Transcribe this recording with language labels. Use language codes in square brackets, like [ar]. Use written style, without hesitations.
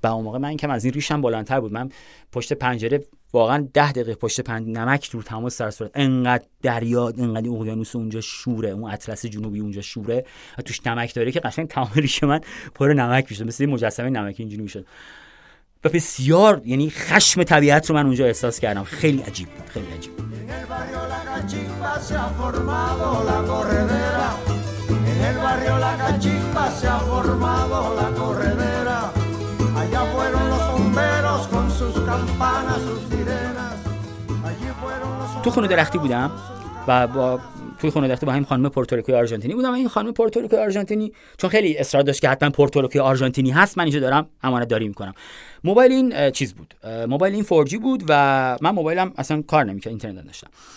[fa] و اون موقع من کم از این ریشم بلندتر بود، من پشت پنجره واقعا 10 دقیقه پشت پنجره نمک رو تمام سر صورت، انقدر دریا، انقدر اقیانوس اونجا شوره، اون اطلس جنوبی اونجا شوره و توش نمک داره که قشنگ تمام ریش من پر نمک میشد، مثل مجسمه نمکی اینجوری میشد. و بسیار یعنی خشم طبیعت رو من اونجا احساس کردم. خیلی عجیب بود، خیلی عجیب. [es] En el barrio La Cachimba se ha formado la corredera. Allá fueron los bomberos con sus campanas, sus sirenas. Allí fueron los bomberos. [fa] تو خونه درختی بودم و توی خونه درختی با همین خانم پورتوریکوی آرژانتینی بودم. این خانم پورتوریکوی آرژانتینی چون خیلی اصرار داشت که حتما پورتوریکوی آرژانتینی هست، من اینجا دارم امانت داری میکنم. موبایل این چیز بود، موبایل این 4G بود و من موبایلم اصلا کار نمیکرد، اینترنت نداشتم.